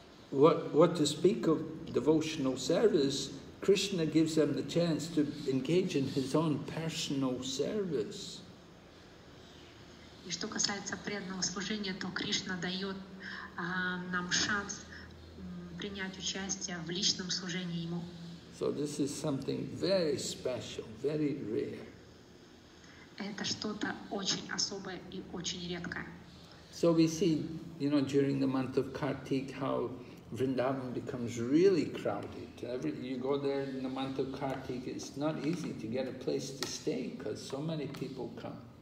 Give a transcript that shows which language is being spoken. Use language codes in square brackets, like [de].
[en] What to speak of devotional service, Krishna gives them the chance to engage in his own personal service. [ru] И что касается преданного служения, то Кришна дает нам шанс принять участие в личном служении ему. [en] So this is something very special, very rare. [ru] Это что-то очень особое и очень редкое. [en] So we see, you know, during the month of Kartik, how Vrindavan becomes really crowded. You go there in the month of Kartik, it's not easy to get a place to stay because so many people come.